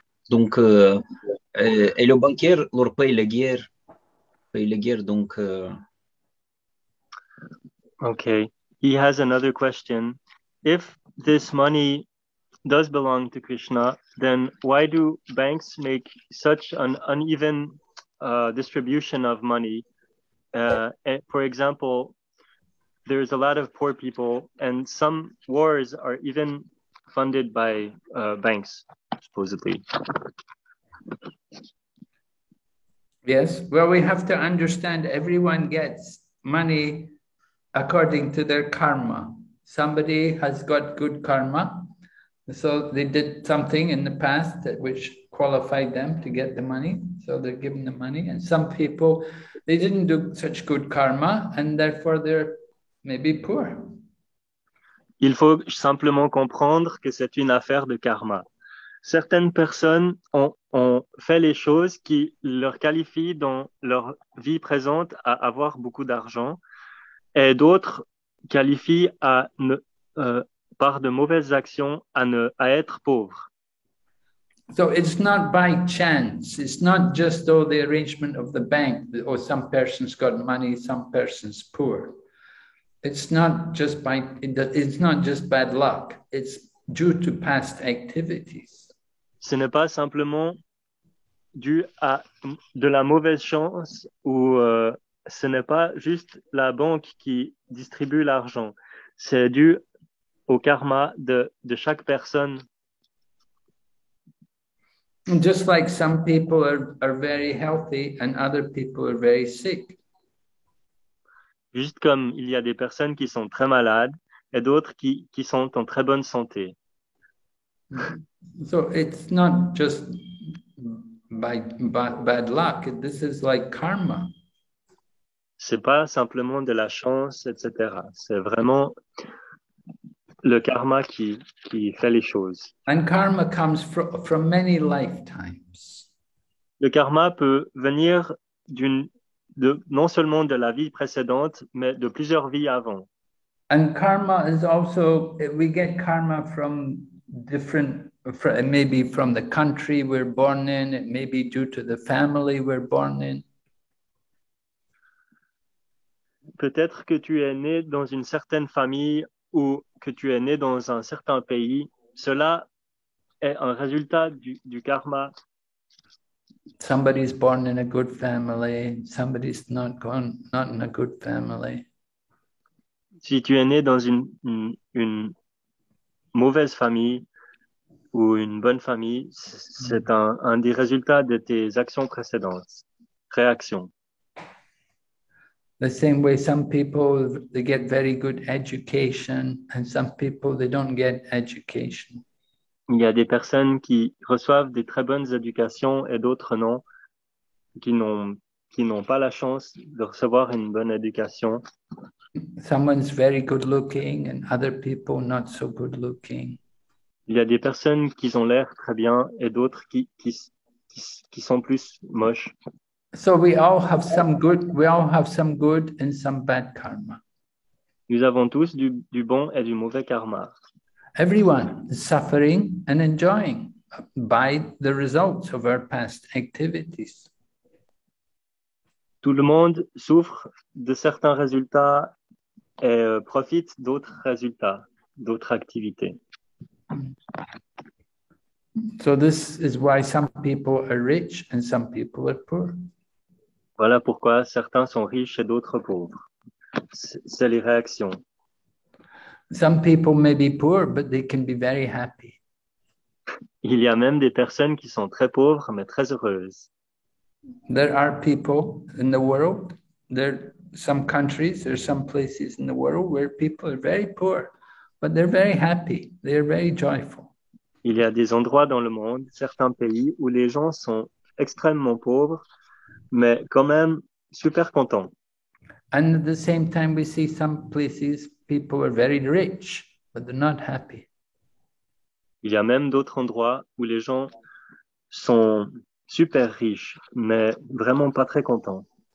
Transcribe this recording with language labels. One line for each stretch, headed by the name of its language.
French: Donc, et le banquier leur paye la guerre, donc...
English: Okay, he has another question. If this money does belong to Krishna, then why do banks make such an uneven distribution of money? For example, there's a lot of poor people, and some wars are even funded by banks, supposedly. Yes, well, we have to understand everyone gets money according to their karma. Somebody has got good karma, so they did something in the past that which qualified them to get the money, so they're given the money. And some people, they didn't do such good karma, and therefore they're maybe poor.
French: Il faut simplement comprendre que c'est une affaire de karma. Certaines personnes ont fait les choses qui leur qualifient dans leur vie présente à avoir beaucoup d'argent, et d'autres qualifient par de mauvaises actions à être pauvres.
English: So it's not by chance. It's not just the arrangement of the bank, or some person's got money, some person's poor. It's not just bad luck. It's due to past activities.
French: Ce n'est pas simplement dû à de la mauvaise chance ou ce n'est pas juste la banque qui distribue l'argent. C'est dû au karma de chaque personne.
English: Just like some people are very healthy and other people are very sick.
French: Juste comme il y a des personnes qui sont très malades et d'autres qui sont en très bonne santé.
English: So it's not just by bad luck. This is like karma.
French: C'est pas simplement de la chance, etc. C'est vraiment le karma qui fait les choses.
English: And karma comes from many lifetimes.
French: Le karma peut venir non seulement de la vie précédente, mais de plusieurs vies avant.
English: And karma is also, we get karma from different, it may be from the country we're born in, it may be due to the family we're born in.
French: Peut-être que tu es né dans une certaine famille ou que tu es né dans un certain pays. Cela est un résultat du karma.
English: Somebody's born in a good family. Somebody's not in a good family.
French: Si tu es né dans une mauvaise famille ou une bonne famille, c'est un des résultats de tes actions précédentes, réactions.
English: The same way some people, they get very good education and some people, they don't get education.
French: Il y a des personnes qui reçoivent des très bonnes éducations et d'autres non, qui n'ont pas la chance de recevoir une bonne éducation.
English: Someone's very good looking and other people not so good looking.
French: Il y a des personnes qui ont l'air très bien et d'autres qui sont plus moches.
English: So we all have some good, we all have some good and some bad karma.
French: Nous avons tous du bon et du mauvais karma.
English: Everyone is suffering and enjoying by the results of our past activities.
French: Tout le monde souffre de certains résultats et profite d'autres résultats, d'autres activités.
English: So this is why some people are rich and some people are poor.
French: Voilà pourquoi certains sont riches et d'autres pauvres. C'est les réactions.
English: Some people may be poor, but they can be very happy.
French: Il y a même des personnes qui sont très pauvres, mais très heureuses.
English: There are people in the world, there are some countries, there are some places in the world where people are very poor, but they're very happy, they're very joyful.
French: Il y a des endroits dans le monde, certains pays, où les gens sont extrêmement pauvres, mais quand même super contents.
English: And at the same time, we see some places, people are very rich, but they're not happy.
French: Il y a même d'autres endroits où les gens sont super riches, mais vraiment pas très contents.